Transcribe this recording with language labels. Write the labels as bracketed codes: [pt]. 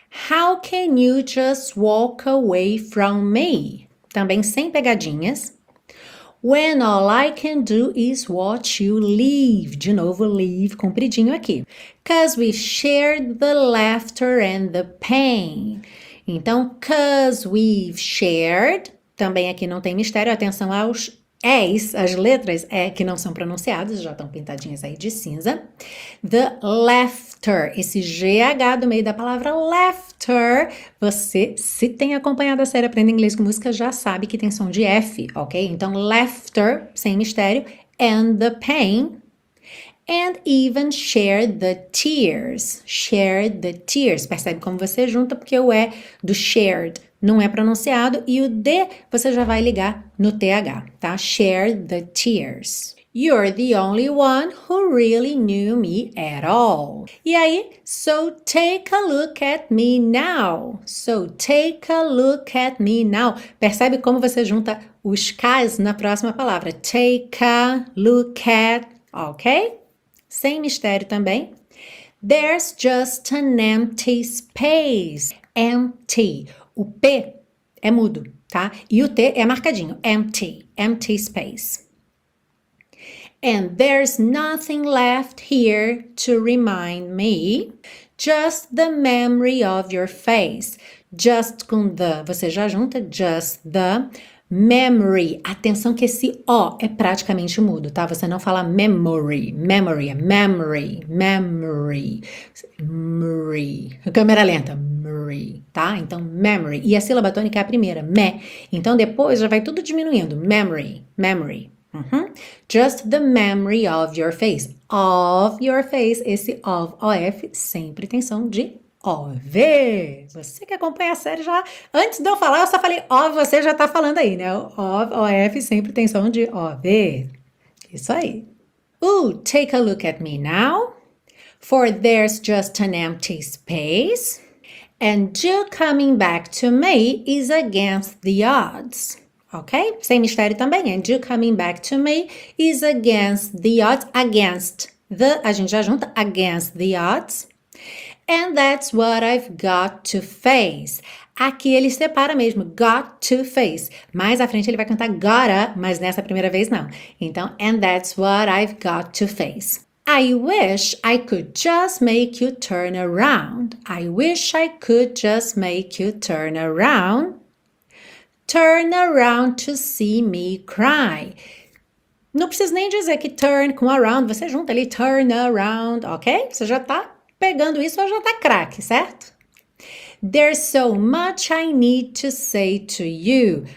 [en] How can you just walk away from me? [pt] Também sem pegadinhas. [en] When all I can do is watch you leave. [pt] De novo, leave compridinho aqui. [en] 'Cause we shared the laughter and the pain. Então, 'cause we've shared. [pt] Também aqui não tem mistério. Atenção aos E's, as letras E que não são pronunciadas. Já estão pintadinhas aí de cinza. [en] The laughter. [pt] Esse GH do meio da palavra laughter. Você, se tem acompanhado a série Aprenda Inglês com Música, já sabe que tem som de F, ok? Então, laughter, sem mistério. [en] And the pain. And even share the tears. Share the tears. [pt] Percebe como você junta, porque o E do shared não é pronunciado. E o D você já vai ligar no TH, tá? [en] Share the tears. You're the only one who really knew me at all. [pt] E aí? [en] So take a look at me now. So take a look at me now. [pt] Percebe como você junta os K's na próxima palavra. [en] Take a look at, ok? [pt] Sem mistério também. [en] There's just an empty space. [pt] Empty. O P é mudo, tá? E o T é marcadinho. Empty. Empty space. [en] And there's nothing left here to remind me. Just the memory of your face. Just com the. [pt] Você já junta. [en] Just the memory. [pt] Atenção que esse O é praticamente mudo, tá? Você não fala memory. Memory é memory. Memory. Memory. Câmera lenta. Memory, tá? Então, memory. E a sílaba tônica é a primeira. Me. Então, depois já vai tudo diminuindo. [en] Memory. Memory. Uhum. Just the memory of your face. Of your face. [pt] Esse of, O-F, sempre tem som de O-V. Você que acompanha a série já, antes de eu falar, eu só falei of, você já tá falando aí, né? Of, O-F, sempre tem som de O-V. Isso aí. [en] Ooh, take a look at me now. For there's just an empty space. And you coming back to me is against the odds. Ok? [pt] Sem mistério também. [en] And you coming back to me is against the odds. Against the, [pt] a gente já junta, [en] against the odds. And that's what I've got to face. [pt] Aqui ele separa mesmo, got to face. Mais à frente ele vai cantar gotta, mas nessa primeira vez não. [en] Então, and that's what I've got to face. I wish I could just make you turn around. I wish I could just make you turn around. Turn around to see me cry. [pt] Não precisa nem dizer que turn com around, você junta ali, turn around, ok? Você já tá pegando isso, já tá craque, certo? [en] There's so much I need to say to you.